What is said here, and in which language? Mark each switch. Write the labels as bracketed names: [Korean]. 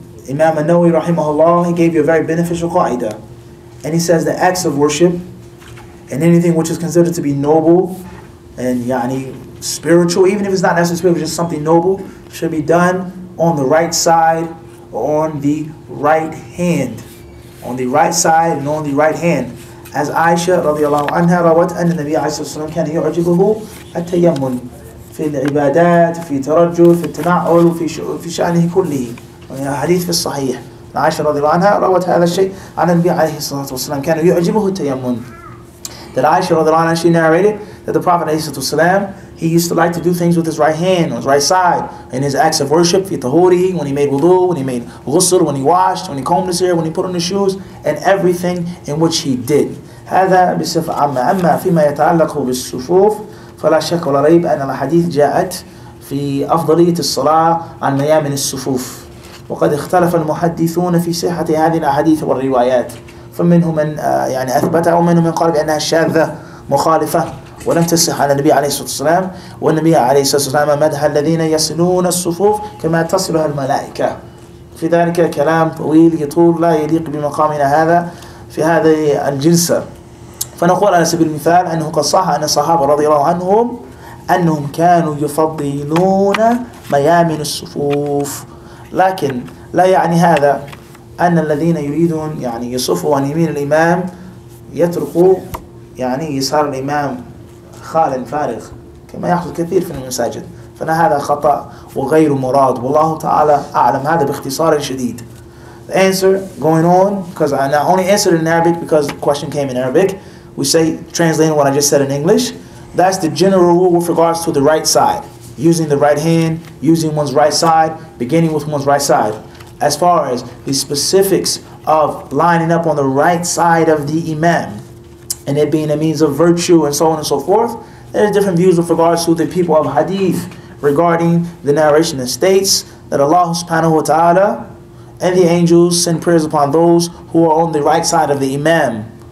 [Arabic] إمام النووي رحمه الله, [English] he gave you a very beneficial qaida, and he says the acts of worship and anything which is considered to be noble and يعني spiritual, even if it's not necessarily spiritual, just something noble, should be done on the right side or on the right hand, on the right side and on the right hand. As [Arabic] Aisha رضي الله عنها روت أن النبي صلى الله عليه وسلم كان يعجبه التيمم في العبادات في ترجل في التنعل في شأنه كله, حديث في الصحيح عائشة رضي الله عنها روت هذا الشيء عن النبي عليه الصلاة والسلام كان يعجبه التيمم. [English] That Aisha [Arabic] رضي الله عنها, [English] she narrated that the Prophet [Arabic] عليه الصلاة والسلام, [English] he used to like to do things with his right hand, on his right side, in his acts of worship, [Arabic] في طهوره, [English] when he made wudu, when he made ghusl, when he washed, when he combed his hair, when he put on his shoes, and everything in which he did. [Arabic] هذا بصفة عامة. أما فيما يتعلق بالصفوف فلا شك ولا ريب أن الحديث جاءت في أفضلية الصلاة عن ميامن الصفوف. وقد اختلف المحدثون في صحة هذه الأحاديث والروايات. فمنهم من يعني أثبتها ومنهم من قال بأنها شاذة مخالفة ولم تصح على النبي عليه الصلاة والسلام. والنبي عليه الصلاة والسلام مدح الذين يصلون الصفوف كما تصلها الملائكة. في ذلك كلام طويل يطول لا يليق بمقامنا هذا في هذه الجلسة. فنقول على سبيل المثال أنه قد صح أن الصحابة رضي الله عنهم أنهم كانوا يفضلون ميامن الصفوف, لكن لا يعني هذا أن الذين يريدون يعني يصفوا عن يمين الإمام يتركوا يعني يصار الإمام خال فارغ كما يحدث كثير في المساجد. فأنا هذا خطأ وغير مراد والله تعالى أعلم. هذا باختصار شديد. [English] The answer going on, because I not only answered in Arabic because the question came in Arabic, we say translating what I just said in English. That's the general rule with regards to the right side. Using the right hand, using one's right side, beginning with one's right side. As far as the specifics of lining up on the right side of the imam, and it being a means of virtue and so on and so forth, there are different views with regards to the people of hadith regarding the narration that states that Allah subhanahu wa ta'ala and the angels send prayers upon those who are on the right side of the imam.